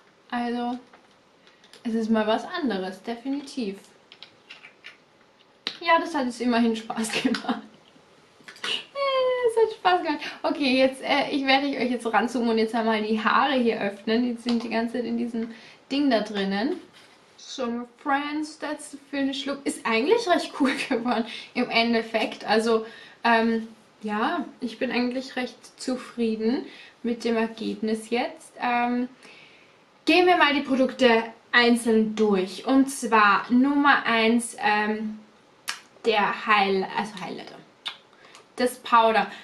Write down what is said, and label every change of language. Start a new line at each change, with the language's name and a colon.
German: Also, es ist mal was anderes, definitiv. Ja, das hat es immerhin Spaß gemacht. Spaß gemacht. Okay, jetzt ich werde ich euch jetzt ranzoomen und jetzt einmal die Haare hier öffnen. Die sind die ganze Zeit in diesem Ding da drinnen.
English: So, my friends, that's the finished look.
German: Ist eigentlich recht cool geworden im Endeffekt. Also, ja, ich bin eigentlich recht zufrieden mit dem Ergebnis jetzt. Gehen wir mal die Produkte einzeln durch. Und zwar Nummer 1, der also Highlighter. Das Powder.